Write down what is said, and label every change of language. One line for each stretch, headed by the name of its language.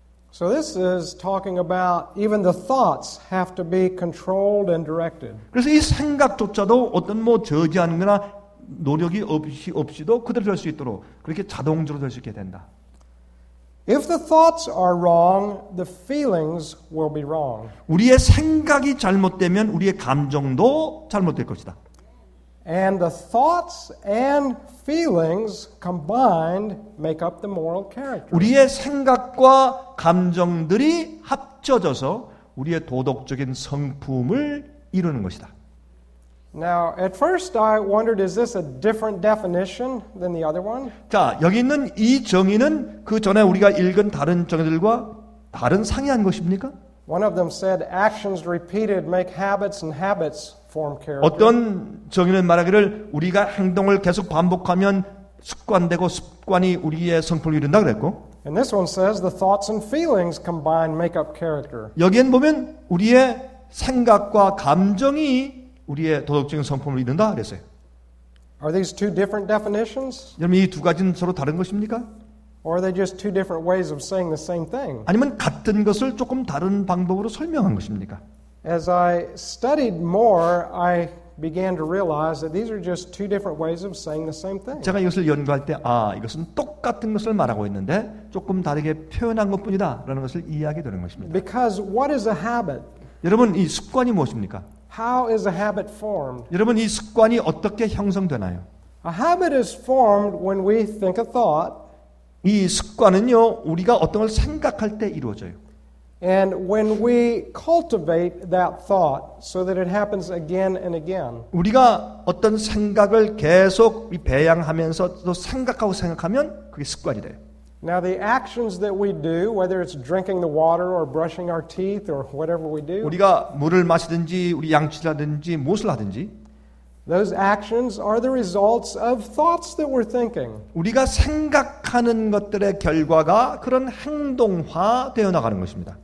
English: So this is talking about even the thoughts have to be controlled and directed.
Korean: 그래서 이 생각조차도 어떤 뭐 저지하는 거나 노력이 없이도 그대로 될 수 있도록 그렇게 자동적으로 될 수 있게 된다.
English: If the thoughts are wrong, the feelings will be wrong.
Korean: 우리의 생각이 잘못되면 우리의 감정도 잘못될 것이다.
English: And the thoughts and feelings combined make up the moral character.
Korean: 우리의 생각과 감정들이 합쳐져서 우리의 도덕적인 성품을 이루는 것이다.
English: Now, at first I wondered, is this a different definition than the other one?
Korean: 자, 여기 있는 이 정의는 그 전에 우리가 읽은 다른 정의들과 다른 상이한 것입니까?
English: One of them said, actions repeated make habits and habits form character.
Korean: 어떤 정의는 말하기를 우리가 행동을 계속 반복하면 습관되고 습관이 우리의 성품을 이룬다 그랬고.
English: And this one says, the thoughts and feelings combined make up character.
Korean: 여기엔 보면 우리의 생각과 감정이 우리의 도덕적인 성품을 이룬다 그랬어요.
English: Are these two different definitions?
Korean: 여러분 이 두 가지는 서로 다른 것입니까?
English: Or are they just two different ways of saying the same thing?
Korean: 아니면 같은 것을 조금 다른 방법으로 설명한 것입니까?
English: As I studied more, I began to realize that these are just two different ways of saying the same thing.
Korean: 제가 이것을 연구할 때 이것은 똑같은 것을 말하고 있는데 조금 다르게 표현한 것뿐이다라는 것을 이해하게 되는 것입니다.
English: Because what is a habit?
Korean: 여러분 이 습관이 무엇입니까?
English: How is a habit formed?
Korean: 여러분 이 습관이 어떻게 형성되나요?
English: A habit is formed when we think a thought.
Korean: 이 습관은요 우리가 어떤 걸 생각할 때 이루어져요.
English: And when we cultivate that thought so that it happens again and again,
Korean: 우리가 어떤 생각을 계속 배양하면서 또 생각하고 생각하면 그게 습관이 돼요.
English: Now the actions that we do, whether it's drinking the water or brushing our teeth or whatever we do,
Korean: 우리가 물을 마시든지 우리 양치라든지 무엇을 하든지,
English: those actions are the results of thoughts that we're thinking.
Korean: 우리가 생각하는 것들의 결과가 그런 행동화되어 나가는 것입니다.